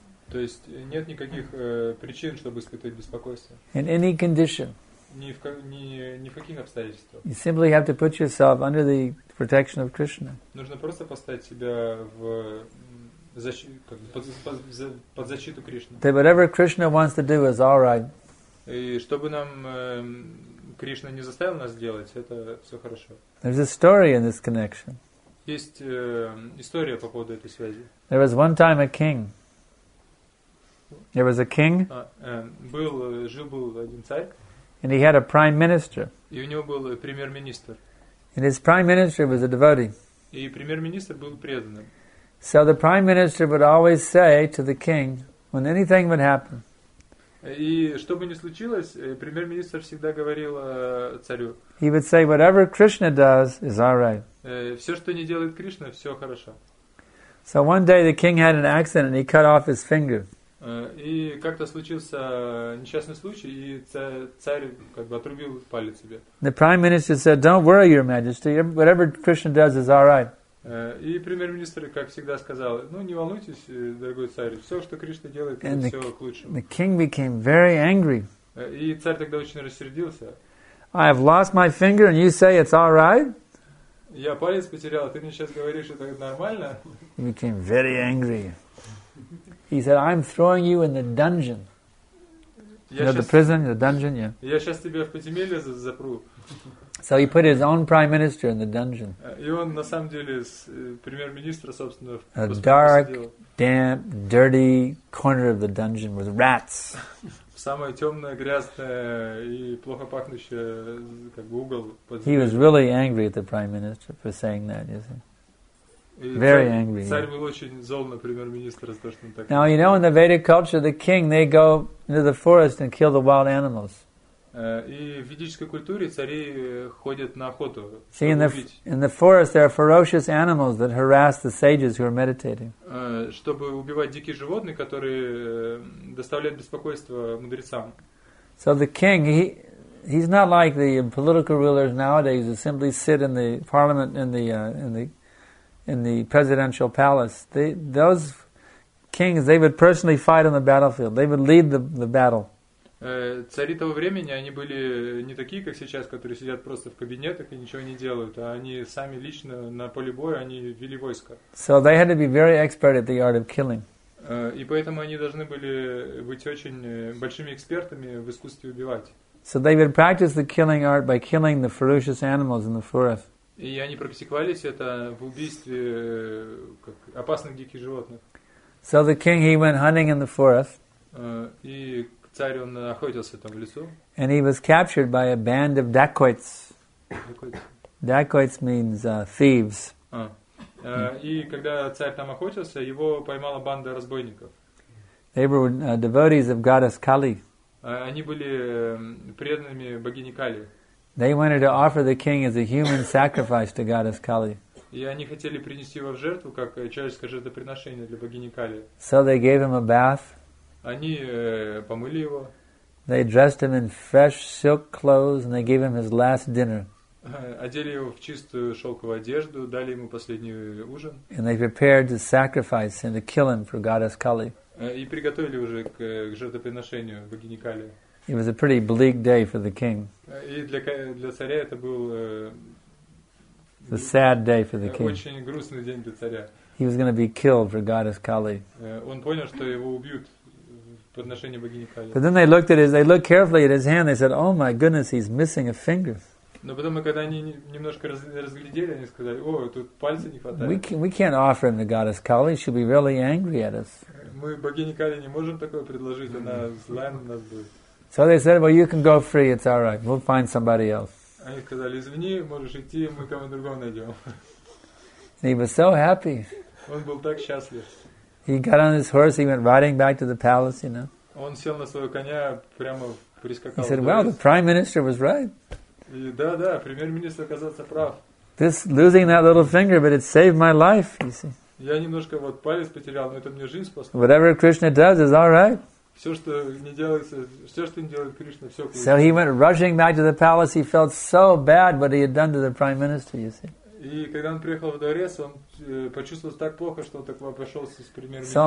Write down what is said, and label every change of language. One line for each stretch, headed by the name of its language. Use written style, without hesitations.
Russian: То есть нет никаких причин, чтобы испытывать беспокойство.
English: In any condition.
Russian: Ни в каких обстоятельствах.
English: You simply have to put yourself under the protection of Krishna.
Russian: Нужно просто поставить себя в под защиту Кришны.
English: That whatever Krishna wants to do is all right.
Russian: И чтобы нам Кришна не заставил нас делать, это все хорошо.
English: There's a story in this connection.
Russian: Есть история по поводу этой связи.
English: There was one time a king. There was a king.
Russian: Жил-был один царь.
English: And he had a prime minister.
Russian: И у него был премьер-министр.
English: And his prime minister was a devotee.
Russian: И премьер-министр был преданным.
English: So the prime minister would always say to the king when anything would happen.
Russian: И что бы ни случилось, премьер-министр всегда говорил царю.
English: He would say whatever Krishna does is all right.
Russian: Все, что не делает Кришна, все хорошо.
English: So one day the king had an accident and he cut off his finger.
Russian: И как-то случился несчастный случай, и царь как бы отрубил палец себе.
English: The prime minister said, "Don't worry, your majesty. Whatever Krishna does is all right."
Russian: И премьер-министр, как всегда, сказал: "Ну, не волнуйтесь, дорогой царь. Все, что Кришна делает, все к лучшему."
English: The king became very angry.
Russian: И царь тогда очень рассердился.
English: "I have lost my finger, and you say it's all right?"
Russian: Я палец потерял, а ты мне сейчас говоришь, что это нормально?
English: He became very angry. He said, "I'm throwing you in the dungeon." You know, the prison, the dungeon, yeah.
Russian: Я сейчас тебя в подземелье запру.
English: So he put his own prime minister in the dungeon.
Russian: И он на самом деле с премьер-министра собственно в
English: a dark, damp, dirty corner of the dungeon with rats.
Russian: Самое темное, грязное и плохо пахнущее как бы угол.
English: He was really angry at the prime minister for saying that, you see. Very angry.
Russian: Царь был очень зол на премьер-министра за то, что он так.
English: Now you know in the Vedic culture the king they go into the forest and kill the wild animals.
Russian: И в ведической культуре цари ходят на охоту.
English: See in the forest there are ferocious animals that harass the sages who are meditating.
Russian: Чтобы убивать дикие животные, которые доставляют беспокойство мудрецам.
English: So the king he's not like the political rulers nowadays who simply sit in the parliament in the presidential palace. Those kings, they would personally fight on the battlefield. They would lead the battle.
Russian: Цари того времени, они были не такие, как сейчас, которые сидят просто в кабинетах и ничего не делают, а они сами лично на поле боя, они вели войско.
English: So they had to be very expert at the art of killing.
Russian: И поэтому они должны были быть очень большими экспертами в искусстве убивать.
English: So they would practice the killing art by killing the ferocious animals in the forest.
Russian: И они практиковались это в убийстве как опасных диких животных.
English: So the king he went hunting in the forest.
Russian: И царь он охотился там в лесу.
English: And he was captured by a band of dacoits. Dacoits means thieves.
Russian: И когда царь там охотился, его поймала банда разбойников.
English: They were devotees of goddess Kali.
Russian: Они были преданными богини Кали.
English: They wanted to offer the king as a human sacrifice to goddess Kali.
Russian: И они хотели принести его в жертву как человеческое жертвоприношение для богини Кали.
English: So they gave him a bath.
Russian: Они помыли его.
English: They dressed him in fresh silk clothes and they gave him his last dinner.
Russian: Одели его в чистую шелковую одежду, дали ему последний ужин.
English: And they prepared to sacrifice and to kill him for goddess Kali.
Russian: И приготовили уже к жертвоприношению богини Кали.
English: It was a pretty bleak day for the king.
Russian: И для царя это был
English: a sad day for the king.
Russian: Очень грустный день для царя.
English: He was going to be killed for goddess Kali.
Russian: Он понял, что его убьют в подношении богини Кали.
English: But then they looked at his, they looked carefully at his hand. They said, "Oh my goodness, he's missing a finger."
Russian: Но потом, когда они немножко разглядели, они сказали: "О, тут пальца не хватает."
English: We can't offer him the goddess Kali. She'll be really angry at us.
Russian: Мы богине Кали не можем такое предложить. Она злая на нас будет.
English: So they said, "Well, you can go free. It's all right. We'll find somebody else."
Russian: Они сказали: "Извини, можешь идти, мы кого-то другого найдем."
English: He was so happy.
Russian: Он был так счастлив.
English: He got on his horse, he went riding back to the palace, you know.
Russian: Он сел на своего коня, прямо прискакал.
English: He said, "Wow, the prime minister was right."
Russian: И, да, премьер-министр оказался прав.
English: This losing that little finger, but it saved my life, you see.
Russian: Я немножко вот палец потерял, но это мне жизнь спасло.
English: Whatever Krishna does is all right.
Russian: Все, что не делается, все, что не делает Кришна, все.
English: So he went rushing back to the palace. He felt so bad what he had done to the prime minister, you see.
Russian: И когда он приехал в дворец, он почувствовал так плохо, что он так обошелся с премьер-министром.